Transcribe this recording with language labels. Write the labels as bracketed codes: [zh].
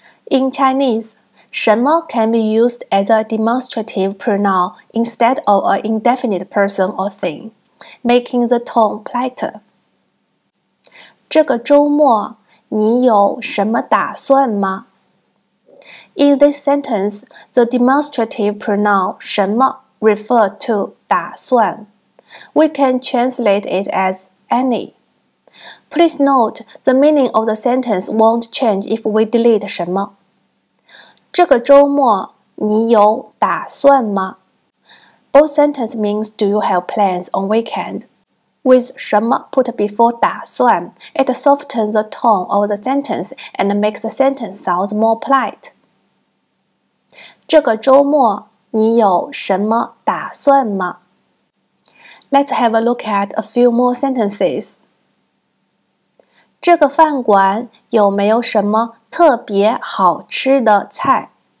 [en] In Chinese, 什么 can be used as a demonstrative pronoun instead of an indefinite person or thing, making the tone politer. [zh] 这个周末你有什么打算吗？ [en] In this sentence, the demonstrative pronoun 什么 refer to 打算。 We can translate it as any. Please note, the meaning of the sentence won't change if we delete 什么。 [zh] 这个周末你有打算吗？ [en] Both sentences means do you have plans on weekend? With 什么 put before 打算, it softens the tone of the sentence and makes the sentence sound more polite. [zh] 这个周末你有什么打算吗？ [en] Let's have a look at a few more sentences. [zh] 这个饭馆有没有什么特别好吃的菜？